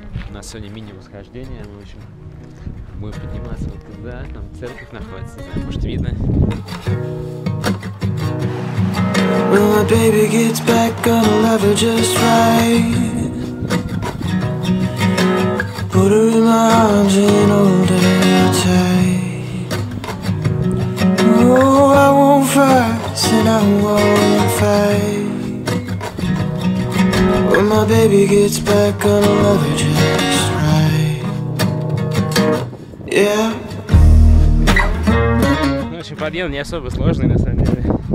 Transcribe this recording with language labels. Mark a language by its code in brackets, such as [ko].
[ru] У нас сегодня мини-восхождение, мы очень будем подниматься вот туда, там церковь находится, не знаю, может видно. [en] When my baby gets back, gonna love her just right. Put her in my arms and hold her tight. Oh, I won't fuss and I won't fight. When my baby gets back, gonna love her just right. Yeah. [ru] Ну, в общем, подъем не особо сложный, на самом деле.